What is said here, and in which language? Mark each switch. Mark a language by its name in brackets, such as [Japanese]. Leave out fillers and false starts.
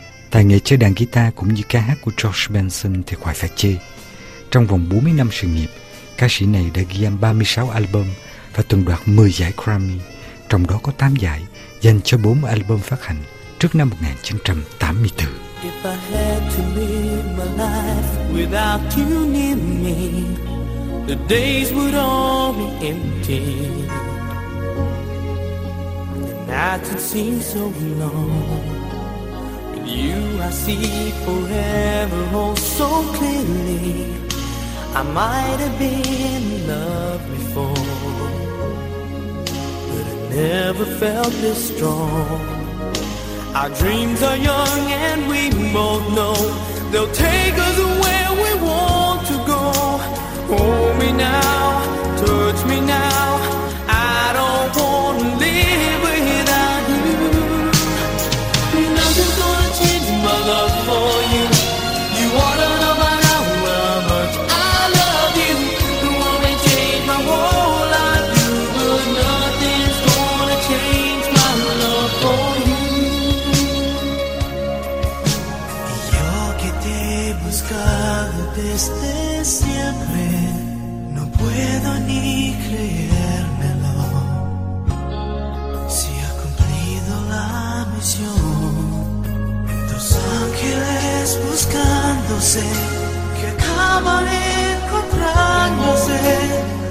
[Vietnamese] Tài nghệ chơi đàn guitar cũng như ca hát của George Benson thì khỏi phải chê. Trong vòng 40 năm sự nghiệp, ca sĩ này đã ghi âm 36 album và từng đoạt 10 giải Grammy, trong đó có 8 giải dành cho 4 album phát hành trước năm 1984. [English] If I had to live my life without you near me, the days would all be empty. The nights would seem so long. With you I see forever all so clearly. I might have been in love before, but I never felt this strong. Our dreams are young and we both know they'll take us where we want to go. Hold me now, touch me now, I don't want to live without you. Nothing's gonna change my love for you. You ought to know by now how much I love you. The world may change my whole life you, but nothing's gonna change my love for you. [Spanish] Yo que te he buscado desde siempre, no puedo ni creérmelo. Si ha cumplido la misión, tus ángeles buscándose, que acaban encontrándose.